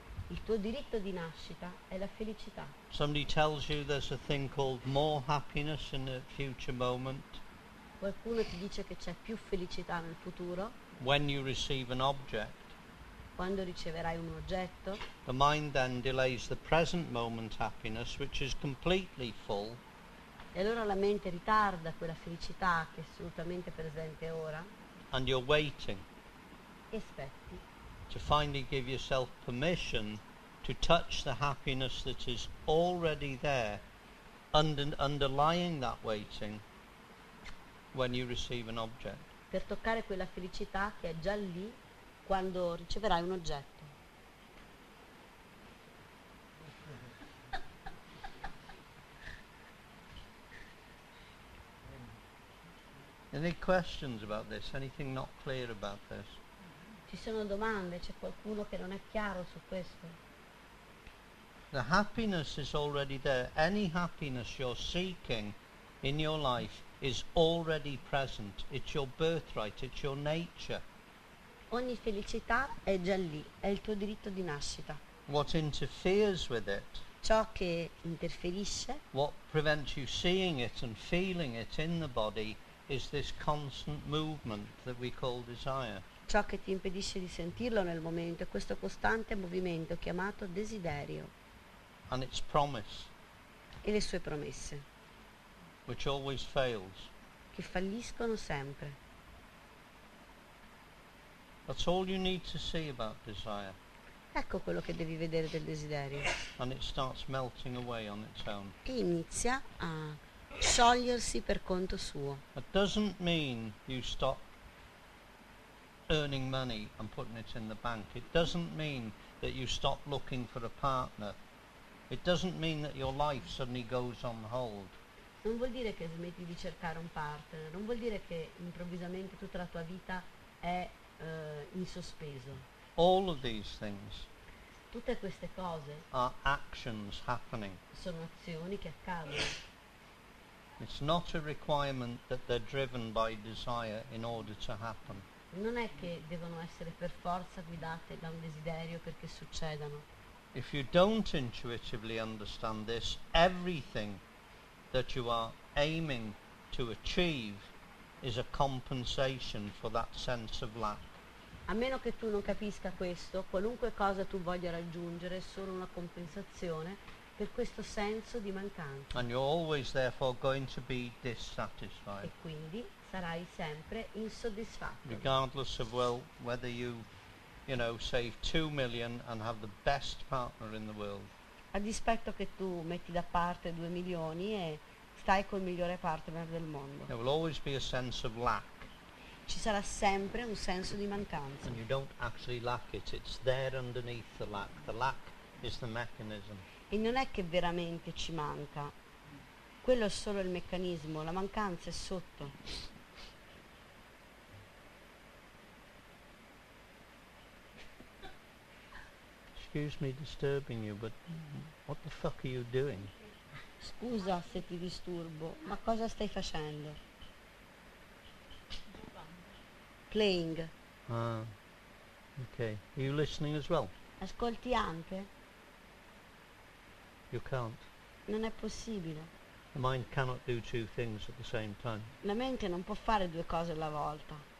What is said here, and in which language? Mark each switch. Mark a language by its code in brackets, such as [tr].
[it] Il tuo diritto di nascita è la felicità. [en] Somebody tells you there's a thing called more happiness in a future moment. [it] Qualcuno ti dice che c'è più felicità nel futuro. [en] When you receive an object. [it] Quando riceverai un oggetto. [en] The mind then delays the present moment happiness, which is completely full. [it] E allora la mente ritarda quella felicità che è assolutamente presente ora. [en] And you're waiting. [it] E aspetti. [en] To finally give yourself permission to touch the happiness that is already there underlying that waiting when you receive an object. [it] Per toccare quella felicità che è già lì quando riceverai un oggetto. [en] Any questions about this? Anything not clear about this? [it] Ci sono domande? C'è qualcuno che non è chiaro su questo? [en] The happiness is already there. Any happiness you're seeking in your life is already present. It's your birthright, it's your nature. [it] Ogni felicità è già lì, è il tuo diritto di nascita. [en] What interferes with it? [it] Ciò che interferisce. [en] What prevents you seeing it and feeling it in the body is this constant movement that we call desire. [it] Ciò che ti impedisce di sentirlo nel momento è questo costante movimento chiamato desiderio. [en] And its promise. [it] E le sue promesse. [en] Which always fails. [it] Che falliscono sempre. [en] That's all you need to see about desire. [it] Ecco quello che devi vedere del desiderio. [en] And it starts melting away on its own. [it] E inizia a sciogliersi per conto suo. [en] It doesn't mean you stop earning money and putting it in the bank. It doesn't mean that you stop looking for a partner. It doesn't mean that your life suddenly goes on hold. [it] Non vuol dire che smetti di cercare un partner, non vuol dire che improvvisamente tutta la tua vita è in sospeso. [en] All of these things. [it] Tutte queste cose. [en] Are actions happening. [it] Sono azioni che accadono. [en] It's not a requirement that they're driven by desire in order to happen. [it] Non è che devono essere per forza guidate da un desiderio perché succedano. [en] If you don't intuitively understand this, everything that you are aiming to achieve is a compensation for that sense of lack. [it] A meno che tu non capisca questo, qualunque cosa tu voglia raggiungere è solo una compensazione per questo senso di mancanza. [en] And you're always therefore going to be dissatisfied. [it] E quindi sarai sempre insoddisfatto. [en] Regardless of whether you save 2 million and have the best partner in the world. [it] A dispetto che tu metti da parte 2 milioni e stai col migliore partner del mondo. [en] There will always be a sense of lack. [it] Ci sarà sempre un senso di mancanza. [en] And you don't actually lack it, it's there underneath the lack. The lack is the mechanism. [it] E non è che veramente ci manca. Quello è solo il meccanismo, la mancanza è sotto. [en] Excuse me disturbing you, but what the fuck are you doing? [it] Scusa se ti disturbo, ma cosa stai facendo? [en] Playing. Ah, okay. Are you listening as well? [it] Ascolti anche? [en] You can't. [it] Non è possibile. [en] The mind cannot do two things at the same time. [it] La mente non può fare due cose alla volta.